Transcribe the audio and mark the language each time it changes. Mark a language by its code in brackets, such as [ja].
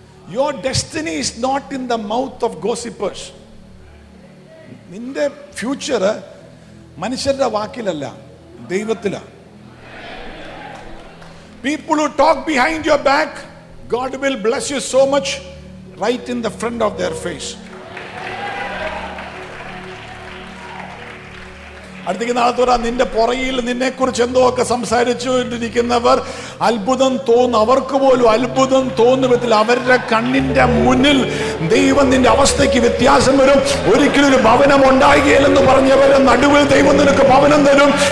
[en] Your destiny is not in the mouth of gossipers. [ml] നിന്റെ future മനുഷ്യരുടെ വാക്കിലല്ല, ദൈവത്തിലാണ്. [en] People who talk behind your back, God will bless you so much right in the front of their face. [ml] അടുത്തേക്ക് നാളെ തുറ, നിന്റെ പുറയിൽ നിന്നെ കുറിച്ച് എന്തോ ഒക്കെ സംസാരിച്ചുകൊണ്ടിരിക്കുന്നവർ അത്ഭുതം തോന്നും. അവർക്ക് പോലും അത്ഭുതം തോന്നും വിധത്തിൽ അവരുടെ കണ്ണിന്റെ മുന്നിൽ ദൈവം നിന്റെ അവസ്ഥയ്ക്ക് വ്യത്യാസം വരും. ഒരിക്കലും ഒരു ഭവനം ഉണ്ടാകിയില്ലെന്ന് പറഞ്ഞവരുടെ നടുവിൽ ദൈവം നിനക്ക് ഭവനം തരും.